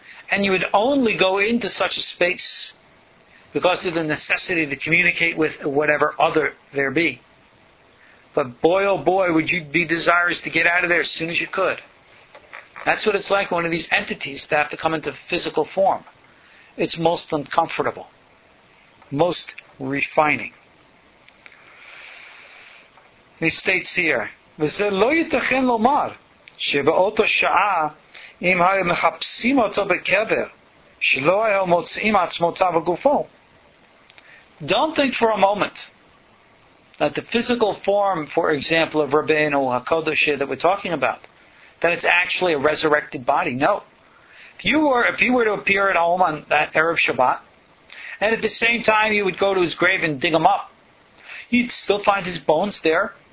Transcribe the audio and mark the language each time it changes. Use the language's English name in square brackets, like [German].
[English] And you would only go into such a space because of the necessity to communicate with whatever other there be. But boy, oh boy, would you be desirous to get out of there as soon as you could. That's what it's like, one of these entities that have to come into physical form. It's most uncomfortable, most refining. He states here, [Hebrew] וזה לא ייתכן לומר שבאותו שעה אם היו מחפשים אותו בקבר שלא היו מוצאים עצמותיו וגופו. [English] Don't think for a moment that the physical form, for example, of Rabbeinu HaKodesh that we're talking about, that it's actually a resurrected body. No. If you were to appear at home on that Erev Shabbat, and at the same time you would go to his grave and dig him up, you'd still find his bones there.